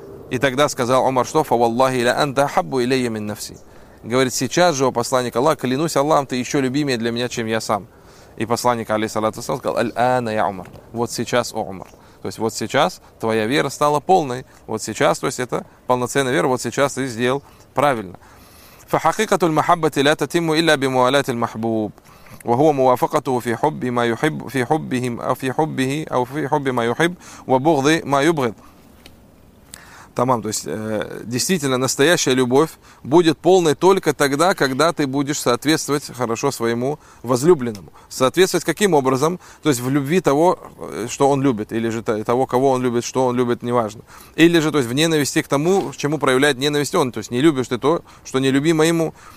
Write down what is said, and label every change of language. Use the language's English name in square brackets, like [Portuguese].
[Russian] И тогда сказал Умар: «Что? [Arabic] Фаваллахи ля анта хаббу илейя мин нафси». [Russian] Говорит: «Сейчас же, о посланник Аллах, клянусь Аллахом, ты еще любимее для меня, чем я сам». И посланник, алейсалату ассалам, сказал, [Arabic] «Аль-ана я Умар», [Russian] «Вот сейчас, о Умар». То есть вот сейчас твоя вера стала полной. Вот сейчас, то есть это полноценная вера, вот сейчас ты сделал правильно. [Arabic] فَحَقِقَةُ الْمَحَبَّةِ لَا تَتِمُّ إِلَّا بِمُوَالَاتِ الْمَحْبُوبِ وهو موافقته في حب ما يحب في حبهم أو في حبه أو في حب ما يحب وبغض ما يبغض. [Russian] Тамам, то есть действительно настоящая любовь будет полной только тогда, когда ты будешь соответствовать хорошо своему возлюбленному. Соответствовать каким образом? То есть в любви того, что он любит, или же того, кого он любит, что он любит, неважно. Или же, то есть, в ненависти к тому, чему проявляет ненависть он. То есть не любишь ты то, что не любимо ему.